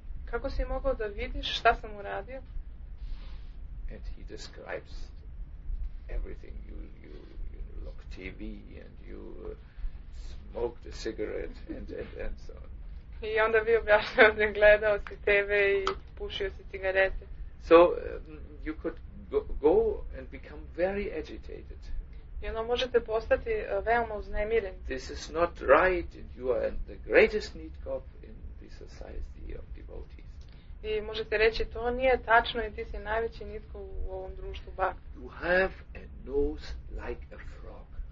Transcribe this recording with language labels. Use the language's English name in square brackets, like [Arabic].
[Serbian] Kako si mogao da vidiš šta sam uradio? [English] And he describes everything. You look TV and you smoked a cigarette and so on. [Serbian] I onda bi objašnjao da gledao si TV i pušio si cigarete. [English] So you could go and become very agitated. [Serbian] I onda možete postati veoma uznemiren. [English] This is not right and you are the greatest neetkov in the society of devotees. [Serbian] I možete reći to nije tačno i ti si najveći neetkov u ovom društvu bhakti. [English] You have a nose like a frog.